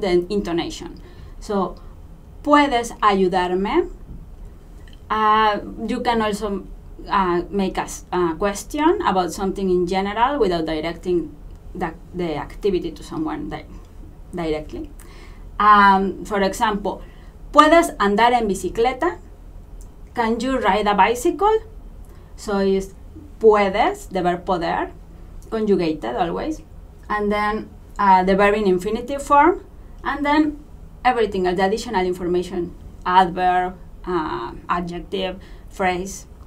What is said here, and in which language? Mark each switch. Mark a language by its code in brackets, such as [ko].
[en] The intonation. So, [es] ¿puedes ayudarme? [en] You can also make a question about something in general without directing the activity to someone directly. For example, [es] ¿puedes andar en bicicleta? [en] Can you ride a bicycle? So it's puedes, the verb poder, conjugated always, and then the verb in infinitive form, and then everything else, the additional information, adverb, adjective, phrase.